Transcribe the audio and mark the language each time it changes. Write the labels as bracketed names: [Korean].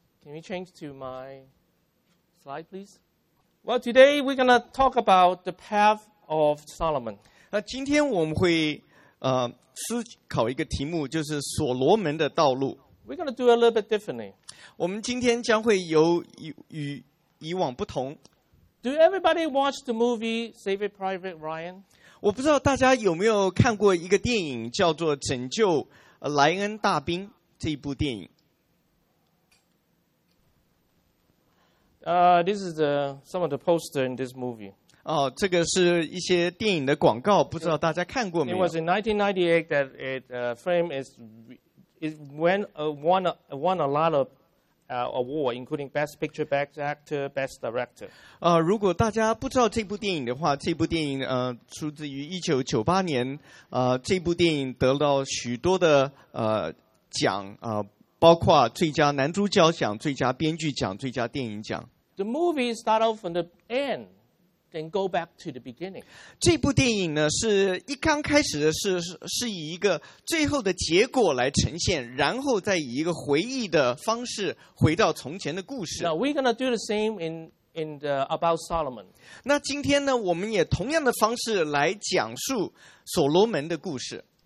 [English] Can we change to my slide, please? Well, today we're gonna talk about the path of Solomon. [Chinese] 今天我们会思考一个题目，就是所罗门的道路。 [English] We're gonna do a little bit differently. [Chinese] 我们今天将会有与以往不同。 [English] Do everybody watch the movie Saving Private Ryan? [Chinese] 我不知道大家有没有看过一个电影叫做《拯救莱恩大兵》这一部电影。 [English] This is some of the poster in this movie. [Chinese] 哦，这个是一些电影的广告，不知道大家看过没有 [English] ？It was in 1998 that it frame is it went won a lot of. Award, including Best Picture, Best Actor, Best Director. [Chinese] 如果大家不知道这部电影的话，这部电影出自于1998年。这部电影得到许多的奖包括最佳男主角奖、最佳编剧奖、最佳电影奖。 [English] The movie start off from the end, then go back to the beginning. [Chinese] 这部电影呢，是一刚开始的是以一个最后的结果来呈现，然后再以一个回忆的方式回到从前的故事。 [English] Now we're gonna do the same in the about Solomon. [Chinese] 那今天呢，我们也同样的方式来讲述所罗门的故事。